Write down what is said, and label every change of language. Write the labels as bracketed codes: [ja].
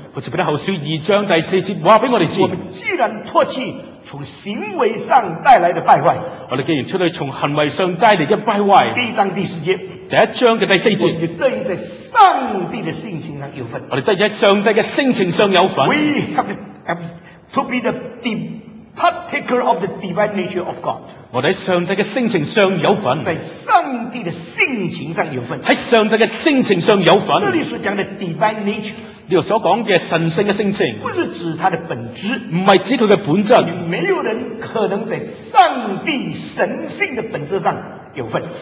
[zh] 不是彼得后书二章第四节告诉我们，我们既然脱去从行为上带来的败坏，我们既然脱去从行为上带来的败坏，第一章第四节，第一章的第四节，我们对在上帝的性情上有份。我们对在上帝的性情上有份。 [en] We have to be the partaker of the divine nature of God。 [zh] 我们在上帝的性情上有份，在上帝的性情上有份，在上帝的性情上有份。这里所讲的 divine nature。你所讲的神圣的性情，不是指他的本质，不是指他的本质。没有人可能在上帝神性的本质上有份，